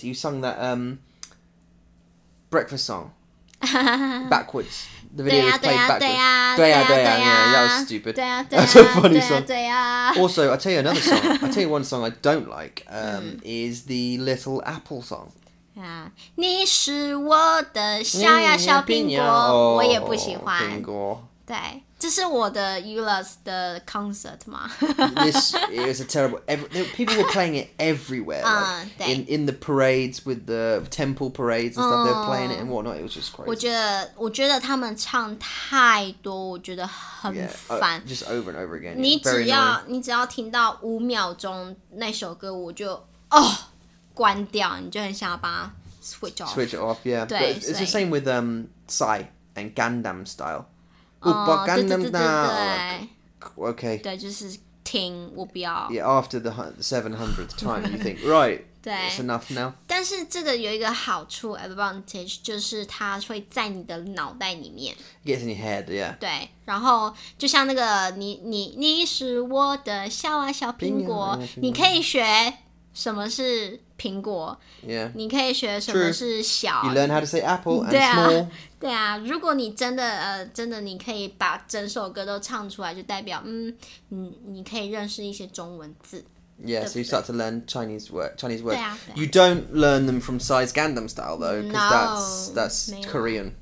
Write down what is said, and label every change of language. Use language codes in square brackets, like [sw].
[en] He sung that breakfast song backwards. The video was played backwards. [zh] 对啊， [en] that was stupid. [zh] 对啊， [en] that's a funny song. [zh] 对啊。 [en] Also, I'll tell you another song. I'll tell you one song I don't like, is the Little Apple song. [zh] 你是我的小呀小苹果，我也不喜欢。苹果。对，这是我的 Eula's 的 concert 吗？ [en] It was a terrible... people were playing it everywhere. Like, in the parades, with the temple parades and stuff, they were playing it and whatnot. It was just crazy. [zh] 我觉得他们唱太多，我觉得很烦。 [en] Yeah, just over and over again. [zh] 你只要听到五秒钟那首歌，我就关掉，你就很想要把它 switch off. [en] Switch it off, yeah. [zh] 对， [en] but it's the same with Psy and Gundam style. [zh] 对，就是听，我不要。 [en] Yeah, after the 700th time, you think, right, that's enough now. [zh] 但是这个有一个好处 advantage, 就是它会在你的脑袋里面。 [en] Gets in your head, yeah. [zh] 对，然后就像那个你是我的小啊小苹果，你可以学什么是苹果。 [en] Yeah. [zh] 你可以学什么是小。 [en] You learn how to say apple and small. [zh] 对啊，如果你真的真的你可以把整首歌都唱出来，就代表你可以认识一些中文字。 [en] Yeah, so you start to learn Chinese words. [zh] 对啊。 [en] You don't learn them from Psy's Gundam style though, because that's Korean.